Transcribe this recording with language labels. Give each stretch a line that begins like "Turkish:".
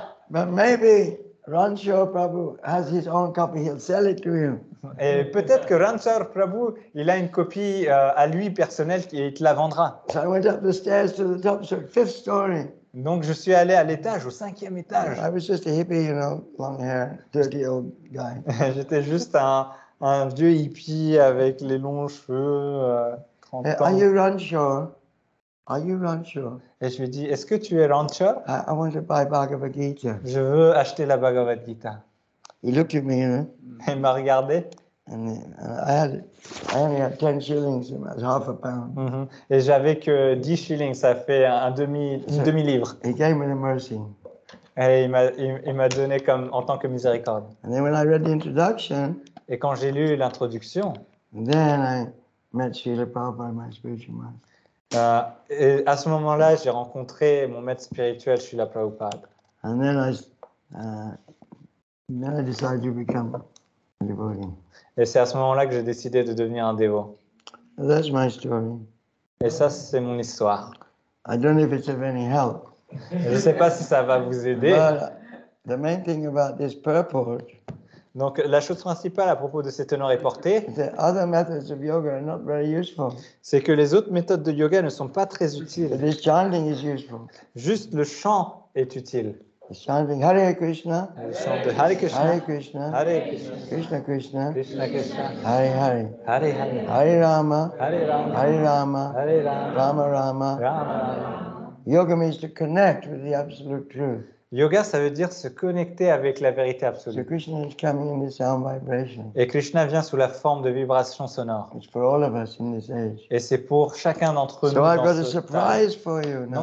English: But maybe Ranshaw Prabhu has his own copy. He'll sell it to you.
French: Et peut-être que Ranshaw Prabhu, il a une copie à lui personnelle qui te la vendra.
English: So I went up the stairs to the top, so fifth story.
French: Donc je suis allé à l'étage, au cinquième étage.
English: I was just a hippie, you know, long hair, dirty old guy.
French: J'étais juste un vieux hippie avec les longs cheveux, 30 ans.
English: Are you Ranshaw? Are you Ranshaw?
French: Et je lui dis, est-ce que tu es Ranshaw?
English: I want to buy Bhagavad Gita.
French: Je veux acheter la Bhagavad Gita.
English: He looked at me, you know?
French: Il m'a regardé.
English: I only had 10 shillings, it was half a pound. Mm-hmm.
French: Et j'avais que 10 shillings, ça fait une demi-livre.
English: He gave me the mercy.
French: Et il m'a donné comme en tant que miséricorde.
English: And then when I read the introduction.
French: Et quand j'ai lu l'introduction.
English: Then I met Srila Prabhupada, my spiritual master.
French: Et à ce moment-là, j'ai rencontré mon maître spirituel, Srila Prabhupada.
English: And then I decided to become a devotee.
French: Et c'est à ce moment-là que j'ai décidé de devenir un dévot.
English: That's my story.
French: Et ça, c'est mon histoire.
English: I don't know if it's of any help.
French: Je ne sais pas si ça va vous aider.
English: But the main thing about this purport.
French: Donc, la chose principale à propos de ces teneurs et portées,
English: the other methods of yoga are not very useful.
French: C'est que les autres méthodes de yoga ne sont pas très utiles.
English: This chanting is useful.
French: Juste le chant est utile.
English: He's chanting Hare Krishna.
Sanskrit: Hare Krishna. Hare Krishna. Hare Krishna. Krishna. Hare Hare. Hare Hare. Hare Rama. Hare Rama. Hare Rama. Hare Rama. Rama Rama. Rama Rama.
English: Yoga means to connect with the absolute truth.
French: Yoga, ça veut dire se connecter avec la vérité absolue.
English: So Krishna is coming in the sound vibration.
French: Et Krishna vient sous la forme de vibrations sonores.
English: It's for all of us in this age.
French: Et c'est pour chacun d'entre nous.
English: So I've got a surprise for you now.